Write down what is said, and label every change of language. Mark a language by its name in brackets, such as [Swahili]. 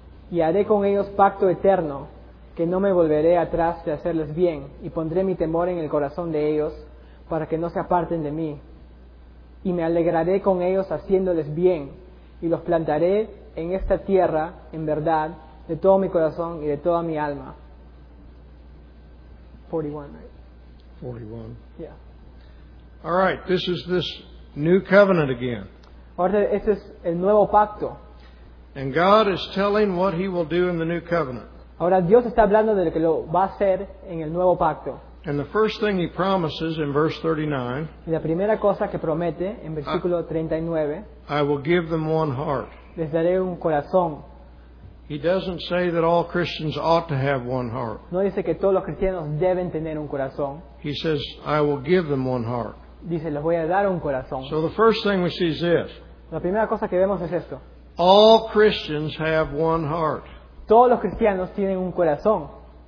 [Spanish] Y haré con ellos pacto eterno, que no me volveré atrás de hacerles bien, y pondré mi temor en el corazón de ellos, para que no se aparten de mí. Y me alegraré con ellos haciéndoles bien, y los plantaré en esta tierra, en verdad, de todo mi corazón y de toda mi alma. [English] 41, right? 41. Yeah. All right, this is this new covenant again. [Spanish] Ahora, este es el nuevo pacto. [English] And God is telling what he will do in the new covenant. [Spanish] Ahora, Dios está hablando de lo que lo va a hacer en el nuevo pacto. [English] And the first thing he promises in verse 39. [Spanish] Y la primera cosa que promete en versículo 39. [English] I will give them one heart. [Spanish] Les daré un corazón. [English] He doesn't say that all Christians ought to have one heart. [Spanish] No dice que todos los cristianos deben tener un corazón. [English] He says, I will give them one heart. [Spanish] Dice, les voy a dar un corazón. [English] So the first thing we see is this. [Spanish] La primera cosa que vemos es esto. [English] All Christians have one heart. [Spanish] Todos los cristianos tienen un corazón.